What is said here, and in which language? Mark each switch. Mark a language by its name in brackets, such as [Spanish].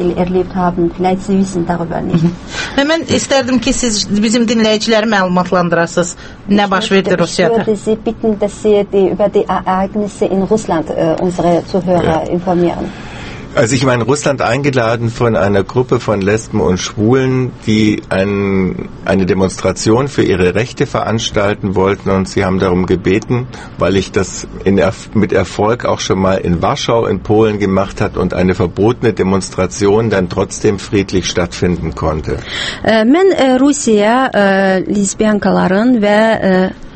[Azerbaijani] Və mən istərdim ki, siz bizim dinləyiciləri məlumatlandırasınız. Nə baş verdi Rusiyada? [German] Ich würde Sie bitten, dass Sie über die Ereignisse in Russland unsere Zuhörer informieren. Also ich war in Russland eingeladen von einer Gruppe von Lesben und Schwulen, die eine Demonstration für ihre Rechte veranstalten wollten und sie haben darum gebeten, weil ich das mit Erfolg auch schon mal in Warschau in Polen gemacht hat und eine verbotene Demonstration dann trotzdem friedlich stattfinden konnte. [Azerbaijani] Mən Rusiya lesbiyankaların və